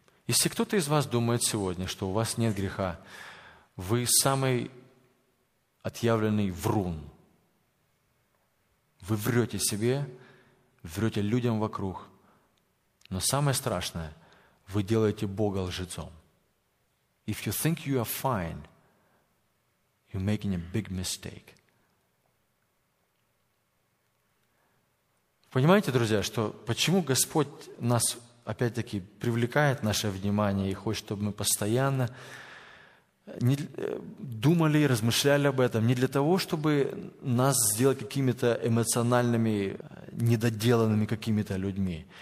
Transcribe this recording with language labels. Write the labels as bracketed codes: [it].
[ru] Если кто-то из вас думает сегодня, что у вас нет греха, вы самый отъявленный врун. Вы врете себе, врете людям вокруг. Но самое страшное, вы делаете Бога лжецом. [en] If you think you are fine, you're making a big mistake. [ru] Понимаете, друзья, что почему Господь нас, опять-таки, привлекает наше внимание и хочет, чтобы мы постоянно думали и размышляли об этом, не для того, чтобы нас сделать какими-то эмоциональными, недоделанными какими-то людьми.